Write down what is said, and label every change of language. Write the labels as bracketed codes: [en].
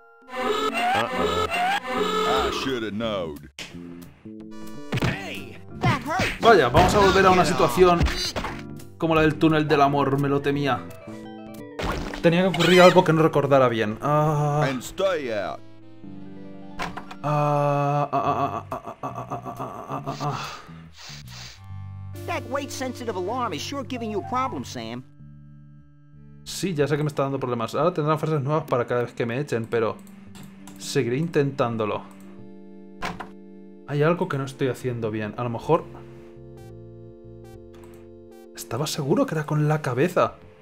[en] I should have known. [es] Vaya, vamos a volver a una situación como la del túnel del amor, me lo temía. Tenía que ocurrir algo que no recordara bien. [en] That weight sensitive alarm is sure giving you a problem, Sam. [es] Sí, ya sé que me está dando problemas. Ahora tendrán frases nuevas para cada vez que me echen, pero seguiré intentándolo. Hay algo que no estoy haciendo bien. A lo mejor. Estaba seguro que era con la cabeza.